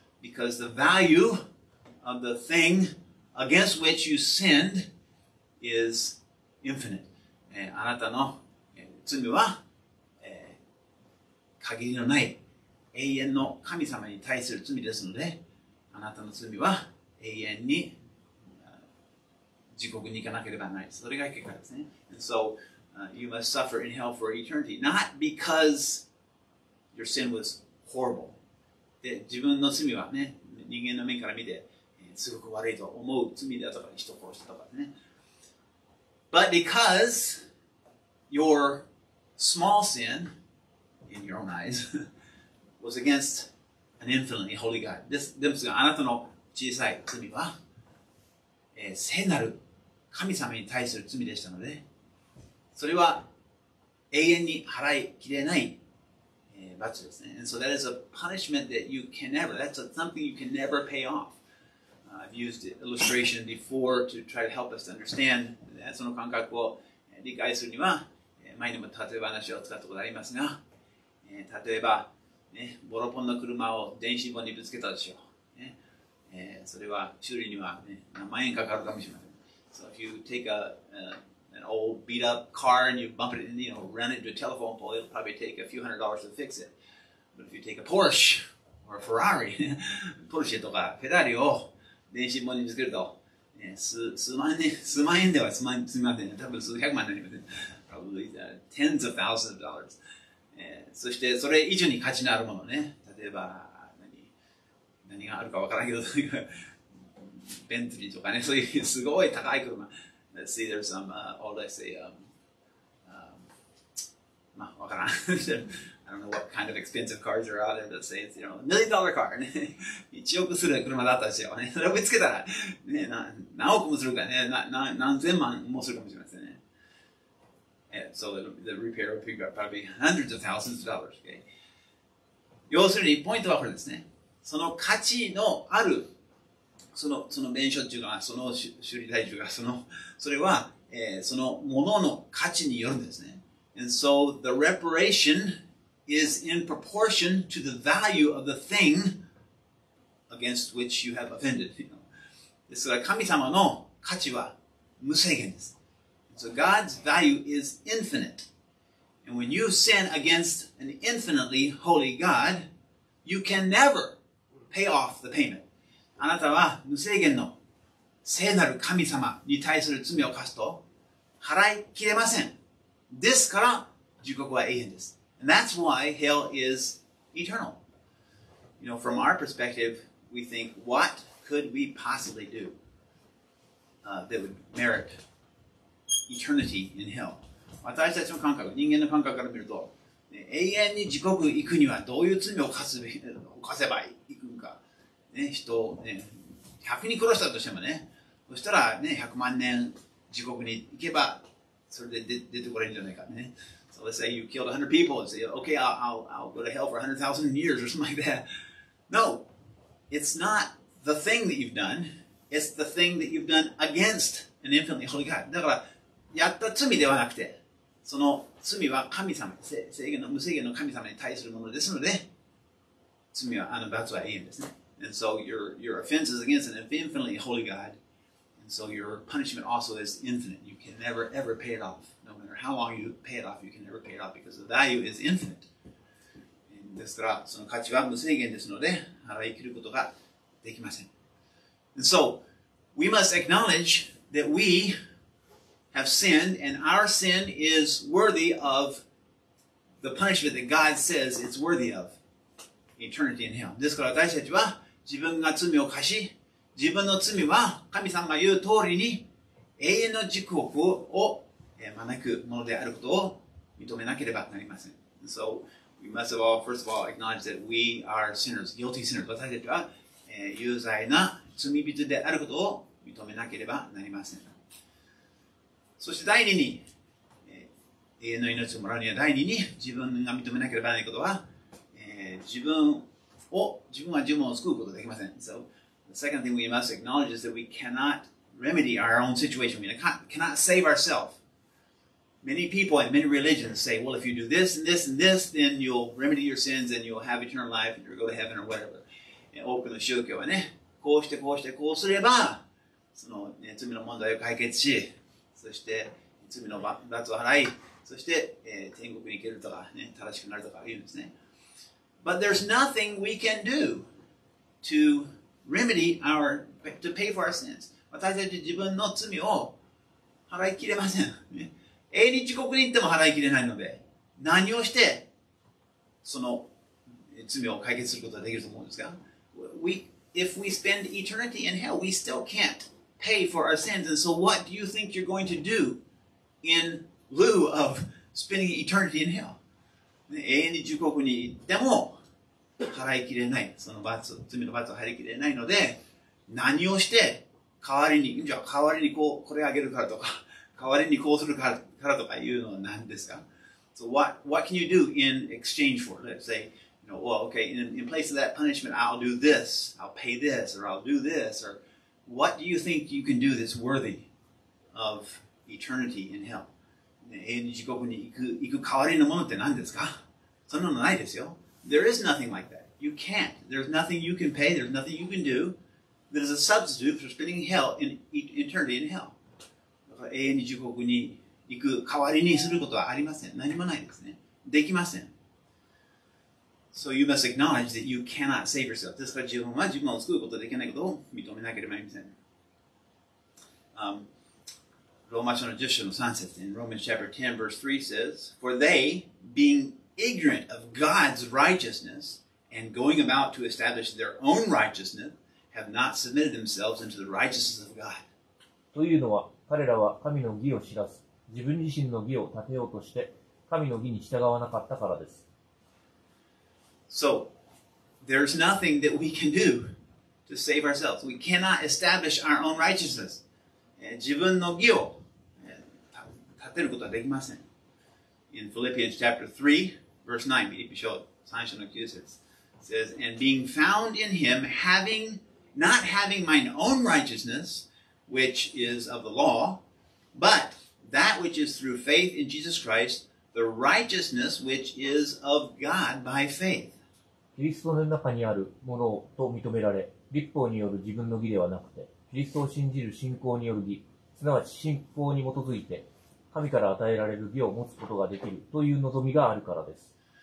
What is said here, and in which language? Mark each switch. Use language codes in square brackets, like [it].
[en] Because the value of the thing against which you sinned is infinite.、 [ja] あなたの、罪は、限りのない永遠の神様に対する罪ですので、あなたの罪は永遠に地獄に行かなければならない。それが結果ですね。 [en] And so,you must suffer in hell for eternity. Not because your sin was horrible. [ja] で、自分の罪はね、人間の面から見て、すごく悪いと思う罪だとか、人殺したとかね。 [en] But because your small sin, in your own eyes, was against an infinitely holy God. [ja] ですが、あなたの小さい罪は、聖なる神様に対する罪でしたので、それは永遠に払いきれない、罰ですね。 [en] And so that is a punishment that you can never, that's something you can never pay off. I've used illustration before to try to help us to understand that. [ja] その感覚を理解するには、前にも例え話を使ったことがありますが、例えば、ね、ボロポンの車を電信棒にぶつけたでしょう。ね、それは修理には、ね、何万円かかるかもしれません。 [en] So if you take an old beat up car and you bump it in, you know, run it into a telephone pole, it'll probably take a few hundred dollars to fix it. But if you take a Porsche or a Ferrari, [ja] Porsche とか Ferrari を電信棒につけると、数万円、多分数百万になります。 [en] Probably tens of thousands of dollars. [ja] そしてそれ以上に価値のあるものね。例えば、何があるかわからんけど、ベントリーとかね、そういうすごい高い車。 [en] Let's see, there's some, I don't know what kind of expensive cars are out there. Let's say it's, you know, $1 million car. [ja] 1億する車だったでしょうね。それを見つけたら、ね、何億もするかね、何千万もするかもしれませんね。 [en] Yeah, so the repair will be probably hundreds of thousands of dollars. Okay? [ja] 要するに、ポイントはこれですね。その価値のあるその弁償というか、その修理代というか、それは、そのものの価値によるんですね。 [en] And so the reparation is in proportion to the value of the thing against which you have offended. You know? [ja] ですから神様の価値は無制限です。 [en] And、so God's value is infinite. And when you sin against an infinitely holy God, you can never pay off the payment. [ja] あなたは無制限の聖なる神様に対する罪を犯すと払いきれません。ですから地獄は永遠です。 [en] And that's why hell is eternal. You know, from our perspective, we think, what could we possibly do, that would merit eternity in hell? [ja] 私たちの感覚、人間の感覚から見ると、永遠に地獄に行くにはどういう罪を犯せばいいか。ね、人を、ね、100人殺したとしてもね、そしたら、ね、100万年地獄に行けば、それで出てこれるんじゃないかね。 [en] So let's say you killed 100 people and say, okay, I'll go to hell for 100,000 years or something like that. No, it's not the thing that you've done, it's the thing that you've done against an infinitely holy God. [ja] だから、やった罪ではなくて、その罪は神様、無制限の神様に対するものですので、罪は、罰は永遠ですね。 [en] And so your offense is against an infinitely holy God. And so your punishment also is infinite. You can never, ever pay it off. No matter how long you pay it off, you can never pay it off because the value is infinite. [ja] And ですから、その価値は無制限ですので、払い切ることができません。 [en] And so we must acknowledge that we have sinned and our sin is worthy of the punishment that God says it's worthy of. Eternity in hell. [ja] ですから、私たちは自分が罪を犯し、自分の罪は神様が言う通りに永遠の地獄を招くものであることを認めなければなりません。 [en] And、so, we must of all, first of all, acknowledge that we are sinners, guilty sinners. [ja] 私たちは、有罪な罪人であることを認めなければなりません。そして第二に、永遠の命をもらうには第二に自分が認めなければならないことは、自分は自分を救うことができません。 [en] So, the second thing we must acknowledge is that we cannot remedy our own situation. We cannot save ourselves. Many people and many religions say, well, if you do this and this and this, then you'll remedy your sins and you'll have eternal life and you'll go to heaven or whatever. [ja] 多くの宗教はね、こうしてこうしてこうすれば、その、ね、罪の問題を解決し、そして罪の罰を払い、そして、天国に行けるとか、ね、正しくなるとか言うんですね。 [en] But there's nothing we can do to remedy our, to pay for our sins. [ja] 私たち自分の罪を払いきれません。永遠に地獄に行っても払いきれないので、何をして、その罪を解決することができると思うんですか？ [en] If we spend eternity in hell, we still can't pay for our sins. And so what do you think you're going to do in lieu of spending eternity in hell? [ja] 永遠に地獄に行っても払いきれない。その罰、罪の罰を払いきれないので、何をして代わりに、じゃあ代わりにこう、これあげるからとか、代わりにこうするからとかいうのは何ですか？ [en] So what can you do in exchange for? Let's say, you know, well, okay, in place of that punishment, I'll do this, I'll pay this, or I'll do this, or what do you think you can do that's worthy of eternity in hell? [ja] 永遠に地獄に行く代わりのものって何ですか？そんなのないですよ。 [en] There is nothing like that. You can't. There's nothing you can pay. There's nothing you can do that is a substitute for spending hell in eternity in hell. [ja] だから永遠に地獄に行く代わりにすることはありません。何もないですね。できません。 [en] So you must acknowledge that you cannot save yourself. [ja] ですから自分は自分を救うことができないことを認めなければなりません。ローマ書の10章の3節で、 [en] Romans chapter 10 verse 3 says, For they, being ignorant of God's righteousness and going about to establish their own righteousness have not submitted themselves unto the righteousness of God. [ja] というのは、彼らは神の義を知らず、自分自身の義を立てようとして、神の義に従わなかったからです。 [en] So, there's nothing that we can do to save ourselves. We cannot establish our own righteousness. [ja] 自分の義を立てることはできません。 [en] In Philippians chapter 3, verse 9, [ja] フィリピ書3章の9節 [en] says, And being found in him, not having mine own righteousness, which is of the law, but that which is through faith in Jesus Christ, the righteousness which is of God by faith. [ja] キリストの中にあるものと認められ、律法による自分の義ではなくて、キリストを信じる信仰による義、すなわち信仰に基づいて、神から与えられる義を持つことができるという望みがあるからです。